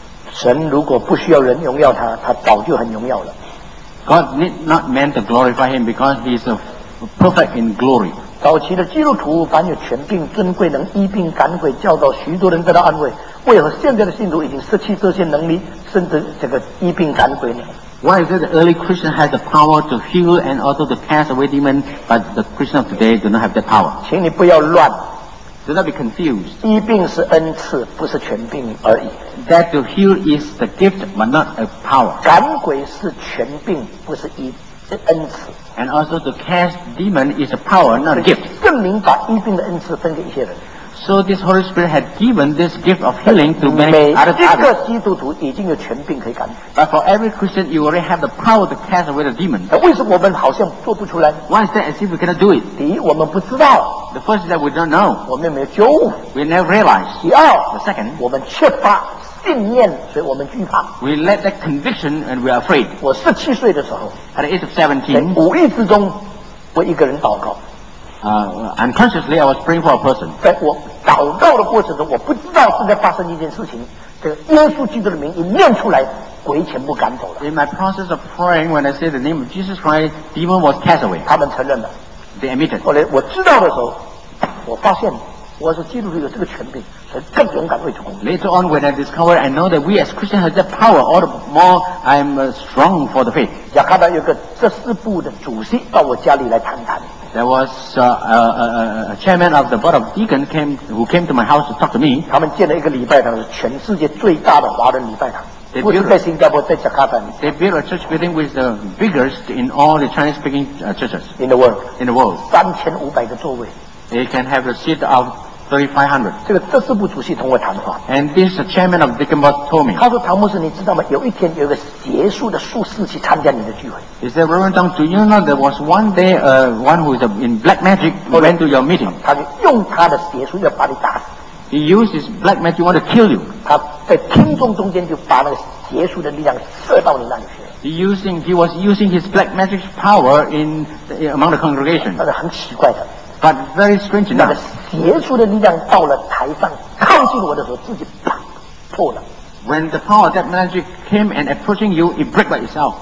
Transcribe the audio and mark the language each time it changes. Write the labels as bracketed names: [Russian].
[Chinese] 神如果不需要人荣耀他，他早就很荣耀了。 [English] God need not man to glorify him because he is perfect in glory. [Chinese] 早期的基督徒凡有权柄尊贵能医病赶鬼教导许多人得到安慰，为何现在的信徒已经失去这些能力，甚至这个医病赶鬼呢？ [English] Why is it the early Christian has the power to heal and also to cast away demons, but the Christian of today do not have that power? [Chinese] 请你不要乱。 [English] Do not be confused. [Chinese] 医病是恩赐，不是权柄而已。 [English] That to heal is the gift, but not a power. [Chinese] 赶鬼是权柄，不是医恩赐。 [English] And also to cast demon is a power, not a gift. [Chinese] 圣灵把医病的恩赐分给一些人。 [English] So this Holy Spirit had given this gift of healing to many other people. [Chinese] 每一个基督徒已经有权柄可以赶鬼。 [English] But for every Christian, you already have the power to cast away the demon. [Chinese] 为什么我们好像做不出来？ [English] Why is that as if we cannot do it? [Chinese] 第一，我们不知道。 [English] The first is that we don't know. [Chinese] 我们没有觉悟。 [English] We never realized. [Chinese] 第二， [English] the second, [Chinese] 我们缺乏信念，所以我们惧怕。 [English] We lack that conviction and we are afraid. [Chinese] 我十七岁的时候， [English] at the age of 17, [Chinese] 在无意之中，我一个人祷告。 [English] Unconsciously, I was praying for a person. [Chinese] 在我祷告的过程中，我不知道正在发生一件事情。这个耶稣基督的名一念出来，鬼全部赶走了。 [English] In my process of praying, when I say the name of Jesus Christ, demon was cast away. [Chinese] 他们承认了。 [English] They admitted. [Chinese] 后来我知道的时候，我发现我是基督徒有这个权柄，所以更勇敢为主工作。 [English] Later on, when I discovered, I know that we as Christians have that power, all the more I'm strong for the faith. [Chinese] 雅各达有个执事部的主席到我家里来谈谈。 [English] There was a chairman of the board of deacons who came to my house to talk to me. [Chinese] 他们建了一个礼拜堂，是全世界最大的华人礼拜堂。不是在新加坡，在加拿大。 [English] They built a church building with the biggest in all the Chinese speaking churches. In the world. [Chinese] 3500个座位。 [English] They can have a seat of 3500. [Chinese] 这个执事部主席同我谈话。 [English] And this chairman of deacon board told me. [Chinese] 他说：“唐牧师，你知道吗？有一天有一个邪术的术士去参加你的聚会。” [English] He said, Reverend Tang, do you know there was one day one who is in black magic went to your meeting? [Chinese] 他就用他的邪术要把你打死。 [English] He used his black magic want to kill you. [Chinese] 他在听众中间就把那个邪术的力量射到你那里去。 [English] He was using his black magic power among the congregation. [Chinese] 那是很奇怪的。 [English] But very strange enough. [Chinese] 那个邪术的力量到了台上靠近我的时候，自己啪破了。 [English] When the power of that magic came and approaching you, it broke by itself.